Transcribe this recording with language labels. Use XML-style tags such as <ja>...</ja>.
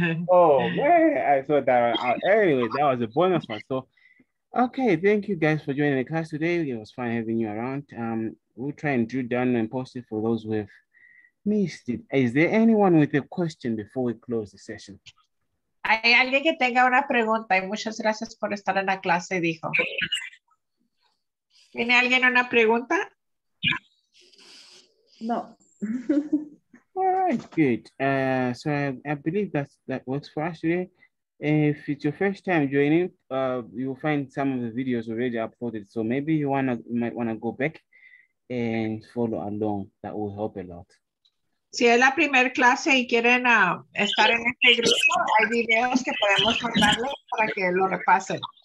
<en>Oh, man. I thought that. Anyway, that was a bonus one. So, okay. Thank you guys for joining the class today. It was fun having you around. We'll try and drill down and post it for those who have missed it. Is there anyone with a question before we close the session?</en> <es>Hay alguien que tenga una pregunta. Y muchas gracias por estar en la clase, dijo. ¿Tiene alguien una pregunta? No.</es> <en>All right, good. So I believe that works for us today. If it's your first time joining, you'll find some of the videos already uploaded. So maybe you might wanna go back and follow along. That will help a lot.</en> <es>Si es la primera clase y quieren estar en este grupo, hay videos que podemos mandarle para que lo repasen.</es>